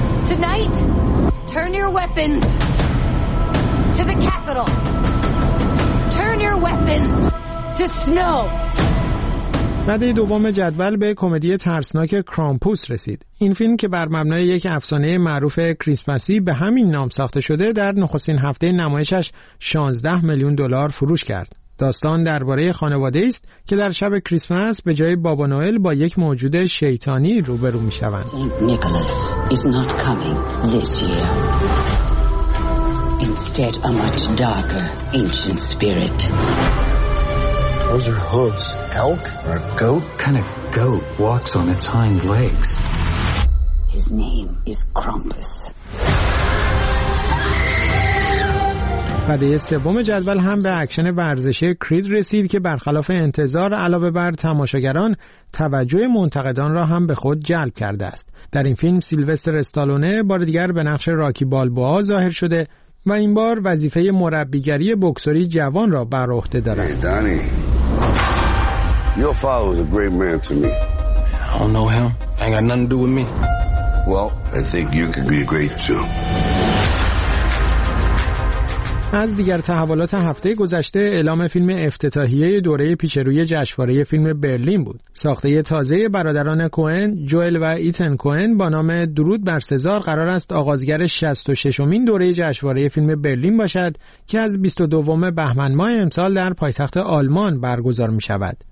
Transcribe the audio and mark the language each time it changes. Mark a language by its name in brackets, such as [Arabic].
[English] Tonight, turn your weapons to the Capitol. Turn your weapons to snow. [Persian] رده دوم جدول به کمدی ترسناک کرامپوس رسید. این فیلم که بر مبنای یک افسانه معروف کریسمسی به همین نام ساخته شده، در نخستین هفته نمایشش 16 میلیون دلار فروش کرد. داستان درباره خانواده است که در شب کریسمس به جای بابا نوئل با یک موجود شیطانی روبرو می شوند. [English] Nicholas is not coming this year. Instead a much darker ancient spirit. Those are hooves. Elk or a goat? Kind of goat walks on its hind legs. His name is Krampus. [Persian] رده سوم جدول هم به اکشن ورزشی کرید رسید که برخلاف انتظار علاوه بر تماشاگران، توجه منتقدان را هم به خود جلب کرده است. در این فیلم سیلوستر استالونه بار دیگر به نقش راکی بالبوا ظاهر شده و این بار وظیفه مربیگری بکسوری جوان را بر عهده دارد. [English] Danny, your father was a great man to me. I don't know him. Ain't got nothing to do with me. Well, I think you could be great too. [Persian] از دیگر تحولات هفته گذشته، اعلام فیلم افتتاحیه دوره پیش روی جشنواره فیلم برلین بود. ساخته تازه برادران کوئن، جوئل و ایتن کوئن با نام درود بر سزار قرار است آغازگر 66مین دوره جشنواره فیلم برلین باشد که از 22 بهمن ماه امسال در پایتخت آلمان برگزار می شود.